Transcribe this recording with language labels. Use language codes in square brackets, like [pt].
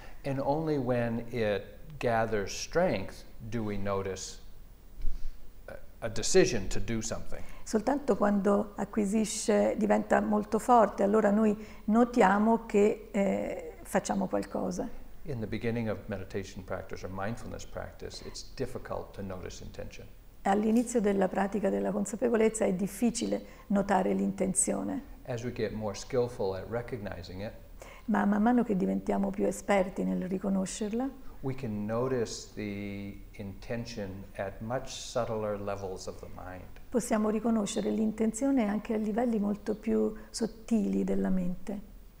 [en] And only when it gathers strength do we notice a decision to do something. [it] Soltanto quando acquisisce, diventa molto forte, allora noi notiamo che facciamo qualcosa. [en] In the beginning of meditation practice or mindfulness practice, it's difficult to notice intention. [it] All'inizio della pratica della consapevolezza è difficile notare l'intenzione. [en] As we get more skillful at recognizing it, [it] ma man mano che diventiamo più esperti nel riconoscerla, [en] we can notice the intention at much subtler levels of the mind. [it] Possiamo riconoscere l'intenzione anche a livelli molto più sottili della mente.